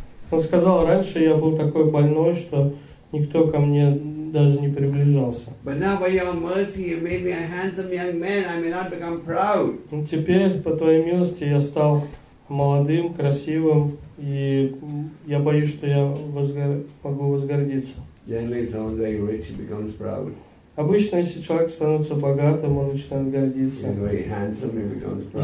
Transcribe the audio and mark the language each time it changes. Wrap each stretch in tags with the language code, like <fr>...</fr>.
<ru>Он сказал, раньше я был такой больной, что никто ко мне даже не приближался.</ru> <en>But now by your mercy you made me a handsome young man, I may not become proud.</en> <ru>Теперь по твоей милости я стал молодым, красивым, и я боюсь, что я могу возгордиться.</ru> <en>Generally someone very rich becomes proud.</en> <ru>Обычно, если человек становится богатым, он начинает гордиться.</ru> <en>Very handsome, he becomes proud.</en>